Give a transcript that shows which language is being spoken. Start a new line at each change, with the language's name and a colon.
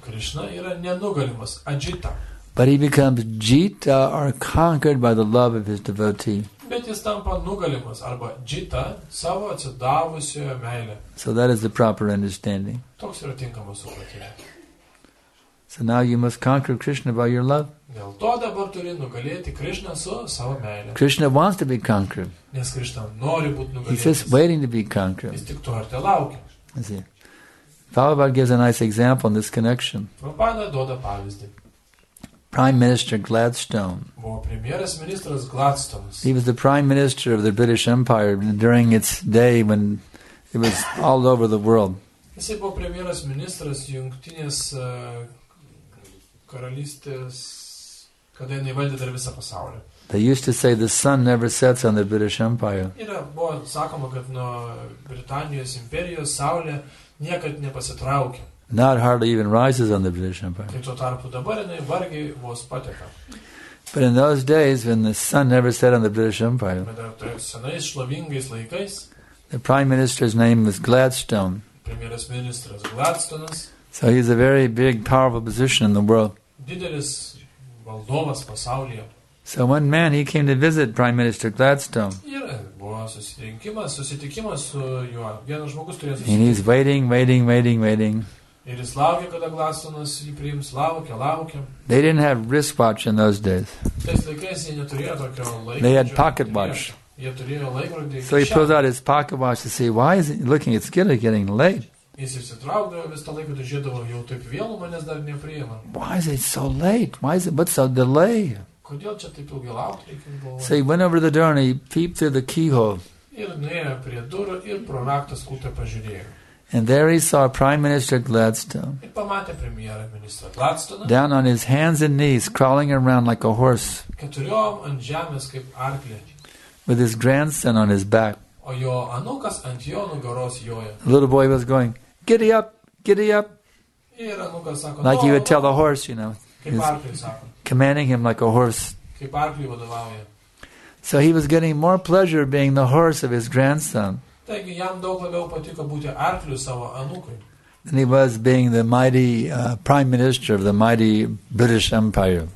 Lithuanian: Krishna yra nenugalimas, ajita.
English: But he becomes jita or conquered by the love of his devotee.
Lithuanian: Bet jis tampa nugalimas arba džita savo atsidavusioje meilė.
English: So that is the proper understanding.
Lithuanian: Toks yra tinkamas supratimas.
English: So now you must conquer Krishna by your love.
Lithuanian: Dėl to dabar turi nugalėti Krishna su savo meilė.
English: Krishna wants to be conquered.
Lithuanian: Nes Krishna nori būti nugalėtas.
English: He's just waiting to be conquered.
Lithuanian: Jis tik to ar te laukia.
English: See. Prabhupada gives a nice example in this connection.
Lithuanian: Prabhupada duoda pavyzdį.
English: Prime Minister Gladstone.
Lithuanian: Buvo premjeras ministras Gladstone.
English: He was the Prime Minister of the British Empire during its day when it was all over the world.
Lithuanian: Jis buvo premjeras ministras Jungtinės karalystės, kada jinai valdė dar visą pasaulį.
English: They used to say the sun never sets on the British Empire.
Lithuanian: Yra, buvo sakoma, kad nuo Britanijos imperijos saulė niekad nepasitraukė.
English: Now it hardly even rises on the British Empire.
Lithuanian: Tai tuo tarpu dabar jinai vargiai vos pateka.
English: But in those days when the sun never set on the British Empire,
Lithuanian: bet dar tais senais šlovingais laikais,
English: the Prime Minister's name was Gladstone.
Lithuanian: Premjeras ministras Gladstone'as.
English: So he's a very big, powerful position in the world.
Lithuanian: Didelis valdovas pasaulyje.
English: So one man, he came to visit Prime Minister Gladstone.
Lithuanian: Ir buvo susitikimas su juo. Vienas žmogus turėjo susitikti.
English: And he's waiting.
Lithuanian: Ir jis laukia, kada Gladstone'as jį priims. Laukia.
English: They didn't have wristwatch in those days.
Lithuanian: Tais laikais jie neturėjo tokio laikrodžio.
English: They had pocket watch.
Lithuanian: Jie turėjo laikrodį.
English: So he pulls out his pocket watch to see, why is it looking, it's getting late.
Lithuanian: Jis išsitraukdavo visą laiką, tai žiūrėdavo, jau taip vėlų manęs dar nepriima.
English: Why is it so late? Why is it, what's the delay?
Lithuanian: Kodėl čia taip ilgai laukti reikia buvo?
English: So he went over the door and he peeped through the keyhole.
Lithuanian: Ir nuėjo prie durų ir pro raktą skutę pažiūrėjo.
English: And there he saw Prime Minister Gladstone.
Lithuanian: Ir pamatė premjerą ministrą Gladstone.
English: Down on his hands and knees, crawling around like a horse.
Lithuanian: Keturiom ant žemės kaip arklė.
English: With his grandson on his back.
Lithuanian: O jo anukas ant jo nugaros joja.
English: The little boy was going, giddy up, giddy up.
Lithuanian: Ir anukas sako,
English: like he would tell the horse, you know.
Lithuanian: Kaip arklį sako.
English: Commanding him like a horse.
Lithuanian: Kaip arklį vadovauja.
English: So he was getting more pleasure being the horse of his grandson.
Lithuanian: Taigi jam daug labiau patiko būti arkliu savo anukui.
English: Than he was being the mighty prime minister of the mighty British Empire.